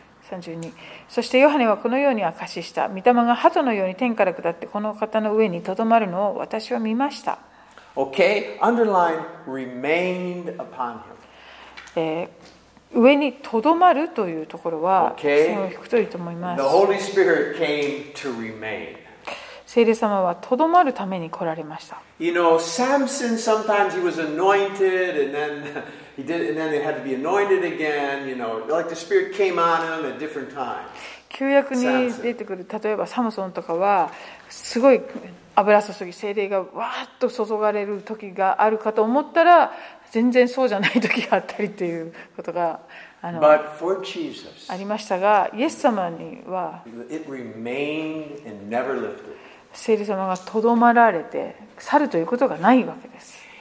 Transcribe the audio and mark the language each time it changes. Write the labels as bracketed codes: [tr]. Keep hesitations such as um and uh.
[ja] 32そしてヨハネはこのように明かしした。御霊が鳩のように天から下ってこの方の上にとどまるのを私は見ました。 [en] Okay. Underline, remained upon him. [ja] えー、上にとどまるというところは、okay. 線を引くといいと思います。 [en] The Holy Spirit came to remain. [ja] 聖霊様はとどまるために来られました。 [en] You know, Samson, sometimes he was anointed and then he did and then they had to be anointed again, you know, like the Spirit came on him at different times. [ja] 旧約に出てくる例えばサムソンとかはすごい油注ぎ精霊がわーっと注がれる時があるかと思ったら全然そうじゃない時があったりということがあ,の But [en] for Jesus, [ja] ありましたがイエス様には [en] it remained and never lifted. [ja] 聖霊様がとどまられて去るということがないわけです。